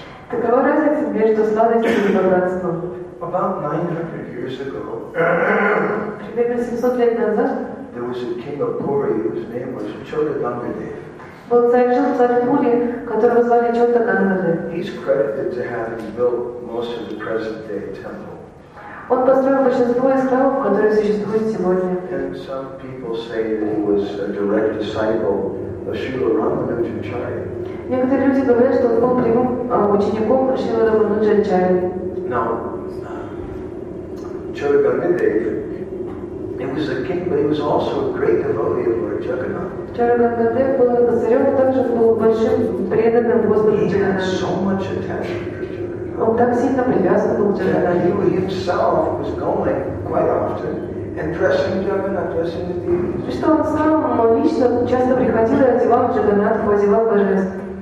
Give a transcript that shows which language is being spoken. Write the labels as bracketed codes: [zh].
[ru] Какова разница между сладостью и богатством? [en] About 900 years ago, [ru] примерно 700 лет назад, [en] there was a king of Puri whose name was Chodadangadev. [ru] Был царь Пури, которого звали Чодадангадев. [en] He's credited to having built most of the present-day temple. [ru] Он построил большинство из храмов, которые существуют сегодня. [en] And some people say that he was a direct disciple of Srila Ramanujacharya. [ru] Некоторые люди говорят, что он был прямым учеником Шрилы Рамануджачарьи. [en] Now, Чодадангадев, he was a king, but he was also a great devotee of Lord Jagannath. [ru] Чодадангадев был царем, но также был большим преданным Господу Джаганнату. [en] He had so much attachment to Jagannath. [ru] Он так сильно привязан был к Джаганнату. [en] He himself was going quite often and dressing Jagannath, dressing the deities. [ru] Что он сам лично часто приходил и одевал Джаганнатху, одевал божеств.